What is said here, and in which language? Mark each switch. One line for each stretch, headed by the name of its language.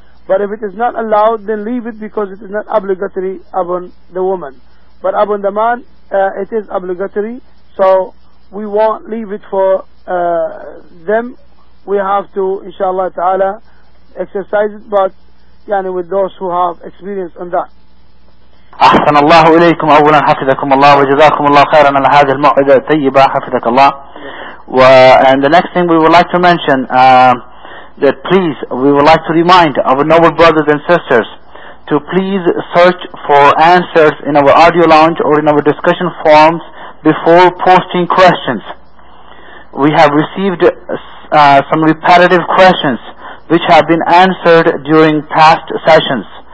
English: But if it is not allowed, then leave it, because it is not obligatory upon the woman. But upon the man, it is obligatory. So we won't leave it for them. We have to, inshallah ta'ala, exercise it, but yani with those who have experience on that.
Arabic: أحسن الله إليكم أولا حفظكم الله وجزاكم الله خيرا على هذه الموعظة الطيبة حفظك الله.
English: And the next thing we would like to mention, that please, we would like to remind our noble brothers and sisters to please search for answers in our audio lounge or in our discussion forums before posting questions. We have received some repetitive questions which have been answered during past sessions.